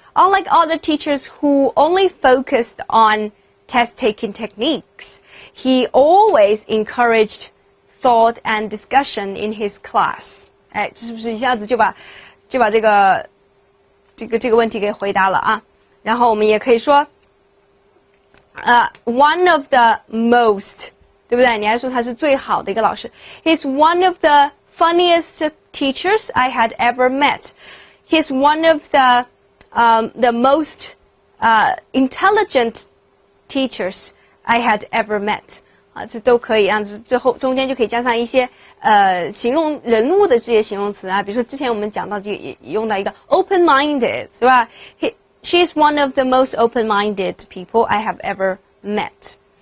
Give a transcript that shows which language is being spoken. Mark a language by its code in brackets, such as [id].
[en] unlike all the teachers who only focused on test-taking techniques, he always encouraged thought and discussion in his class. [zh] 哎，是不是一下子就把这个问题给回答了啊？然后我们也可以说， [en] one of the most， [zh] 对不对？你还说他是最好的一个老师。 [en] He's one of the funniest teachers I had ever met. He's one of the most intelligent teachers I had ever met. [zh] 啊，这都可以，这样子最后中间就可以加上一些形容人物的这些形容词啊。比如说之前我们讲到这个，用到一个 open-minded， 是吧？ [en] She is one of the most open-minded people I have ever met.